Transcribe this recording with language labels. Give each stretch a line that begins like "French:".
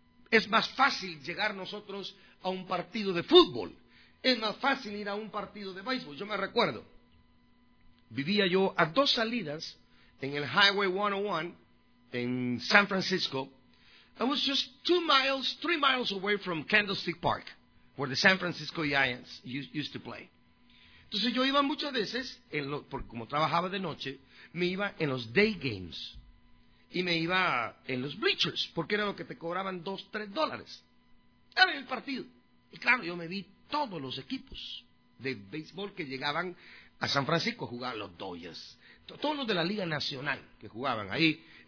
Spanish: Es más fácil llegar nosotros a un partido de fútbol. Es más fácil ir a un partido de béisbol. Yo me recuerdo, vivía yo a dos salidas en el Highway 101 en San Francisco.
English: I was just three miles away from Candlestick Park, where the San Francisco Giants used to play.
Spanish: Entonces yo iba muchas veces, porque como trabajaba de noche, me iba en los day games y me iba en los bleachers, porque era lo que te cobraban $2-3. Era el partido. Y claro, yo me vi todos los equipos de béisbol que llegaban a San Francisco a jugar, los Dodgers, todos los de la Liga Nacional que jugaban ahí.